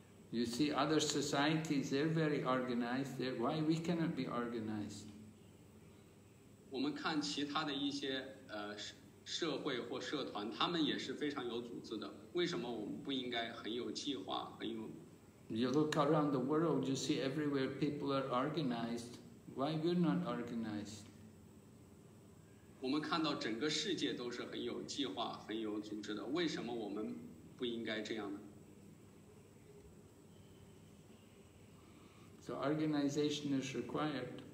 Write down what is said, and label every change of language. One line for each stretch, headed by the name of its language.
English: You see other societies, they're very organized. Why we cannot be organized?
Chinese: 我们看其他的一些社会或社团，他们也是非常有组织的。为什么我们不应该很有计划？很有
English: ？You look around the world, you see everywhere people are organized. Why we're not organized?
Chinese: 我们看到整个世界都是很有计划、很有组织的。为什么我们不应该这样呢
English: ？So organization is required.